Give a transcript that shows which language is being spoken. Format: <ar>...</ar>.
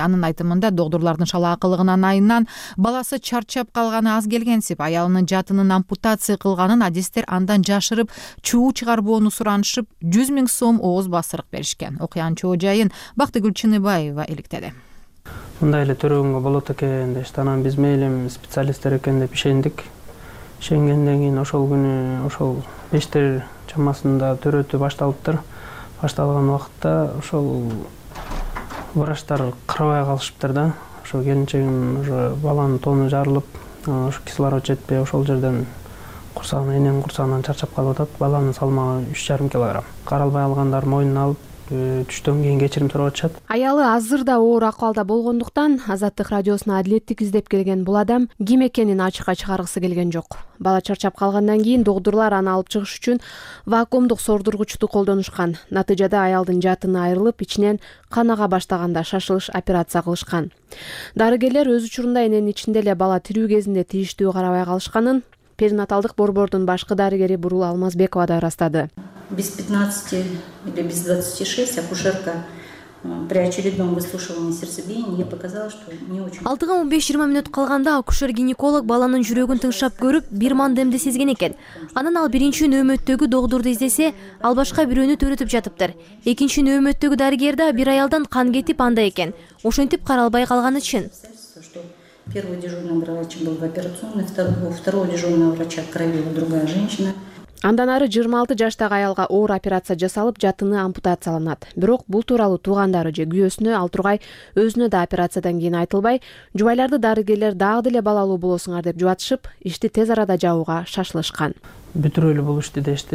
<ky>Анын айтымында доктурлардын шала акылыгынан айынан баласы чарчап калганы аз келгенсип, аялынын жатынын ампутация кылганын адистер андан жашырып, чуу чыгарбоону суранышып, 100 000 сом ооз басырык беришкен. Окуянын чоо жайын Бактыгүл Чыныбаева иликтеди. Мындай эле төрөгөнгө болот экен дешти. Анан биз мейли специалисттер экен деп ишендик. Ишенгенден кийин ошол күнү ошол бештер чамасында төрөтү башталыптыр. Башталган убакытта ошол врачтар карабай калышыптыр да. Ошо келинчегим уже баланын тону жарылып, ошо кислород жетпей ошол жерден курсагынан, эненин курсагынан чарчап калып атат. Баланын салмагы 3,5 килограмм. Каралбай алгандар мойнуна алып түштөн кийин кечирим сурап атышат. Аялы азыр да оор акыбалда болгондуктан Азаттык радиосуна адилеттик издеп келген бул адам ким экенин ачыкка чыгаргысы келген жок. Бала чарчап калгандан кийин доктурлар аны алып чыгыш үчүн вакуумдук сордургучту колдонушкан. Натыйжада аялдын жатыны айрылып, ичинен кан ага баштаганда шашылыш операция кылышкан. Дарыгерлер өз учурунда эненин ичинде эле бала тирүү кезинде тийиштүү карабай калышканын перинаталдык борбордун башкы дарыгери Бурул Алмазбекова да ырастады.</ky> <ru>Без 15 или без 26 акушерка при очередном выслушивании сердцебиения показала, что не очень.</ru> <ky>Алтыга 15-20 минут калганда акушер-гинеколог баланын жүрөгүн тыңшап көрүп, бир мандемди сезген экен. Анан ал биринчи нөөмөттөгү доктурду издесе, ал башка бирөөнү төрөтүп жатыптыр. Экинчи нөөмөттөгү дарыгер да бир аялдан кан кетип анда экен. Ошентип каралбай калганы чын.</ky> <ru>Первый дежурный врач был в операционной, второго дежурного врача крови была другая женщина.</ru> <ky>Андан ары 26 жаштагы аялга оор операция жасалып, жатыны ампутацияланат. Бирок бул тууралуу туугандары же күйөөсүнө, ал тургай өзүнө да операциядан кийин айтылбай, жубайларды дарыгерлер дагы деле балалуу болосуңар деп жубатышып, ишти тез арада жабууга шашылышкан. Бүтүрөлү эле бул ишти дешти.</ky>